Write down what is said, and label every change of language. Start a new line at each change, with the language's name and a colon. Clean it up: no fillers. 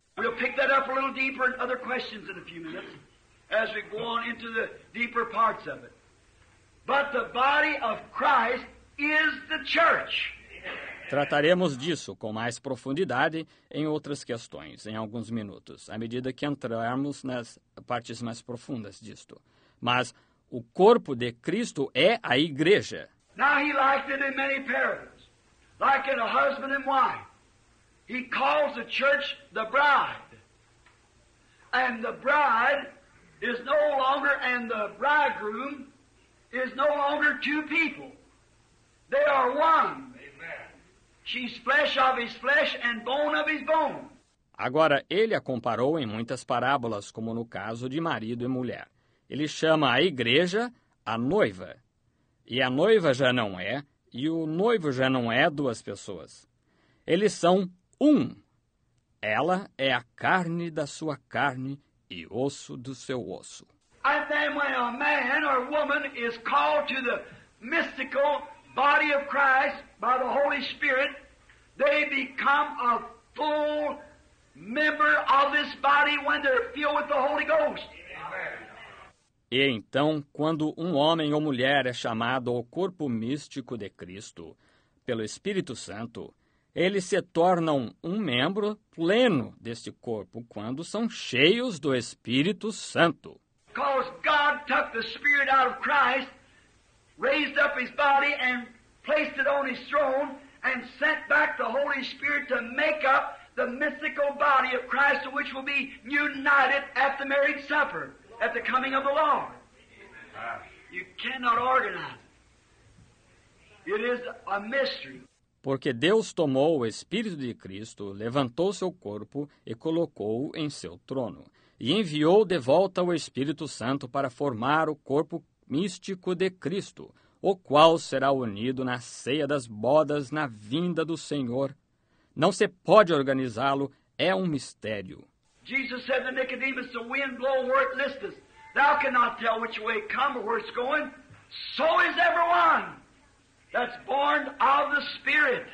English: We'll pick that up a little deeper in other questions in a few minutes as we go on into the deeper parts of it. But the body of Christ is the church.
Portuguese: Trataremos disso com mais profundidade em outras questões, em alguns minutos, à medida que entrarmos nas partes mais profundas disto. Mas o corpo de Cristo é a igreja.
English: Now he liked it in many parables, like in a husband and wife. He calls the church the bride. And the bride is no longer, and the bridegroom is no longer two people. They are one. She's flesh of his flesh and bone of his bone.
Portuguese: Agora, ele a comparou em muitas parábolas, como no caso de marido e mulher. Ele chama a igreja a noiva. E a noiva já não é, e o noivo já não é duas pessoas. Eles são um. Ela é a carne da sua carne e osso do seu osso.
English: And then when a man or woman is called to the mystical body of Christ by the Holy Spirit, they become a full member of this body when they're filled with the Holy Ghost.
Portuguese: E então, quando um homem ou mulher é chamado ao corpo místico de Cristo pelo Espírito Santo, eles se tornam um membro pleno deste corpo quando são cheios do Espírito Santo.
English: Because God took the Spirit out of Christ, raised up his body and placed it on his throne and sent back the Holy Spirit to make up the mystical body of Christ, which will be united at the marriage supper, at the coming of the Lord. You cannot organize it. It is a mystery.
Portuguese: Porque Deus tomou o Espírito de Cristo, levantou seu corpo e colocou-o em seu trono, e enviou de volta o Espírito Santo para formar o corpo místico de Cristo, o qual será unido na ceia das bodas na vinda do Senhor. Não se pode organizá-lo, é um mistério.
English: Jesus said to Nicodemus, the wind blow where it listeth. Thou cannot tell which way it come or where it's going. So is everyone that's born of the Spirit.